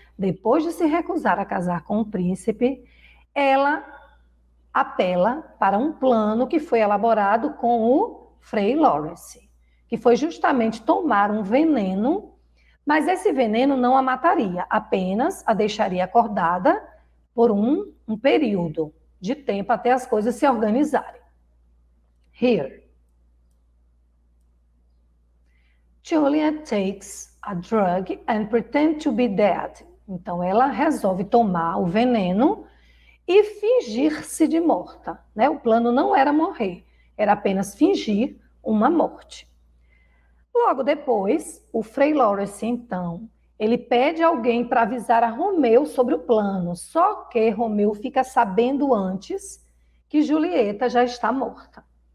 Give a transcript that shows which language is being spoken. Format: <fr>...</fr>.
<pt>Depois de se recusar a casar com o príncipe, ela apela para um plano que foi elaborado com o Frei Lawrence, que foi justamente tomar um veneno, mas esse veneno não a mataria, apenas a deixaria acordada por um período de tempo até as coisas se organizarem.</pt> <en>Here. Juliet takes a drug and pretend to be dead.</en> <pt>Então ela resolve tomar o veneno e fingir-se de morta, né? O plano não era morrer, era apenas fingir uma morte. Logo depois, o Frei Lawrence, então, ele pede alguém para avisar a Romeu sobre o plano, só que Romeu fica sabendo antes que Julieta já está morta.</pt>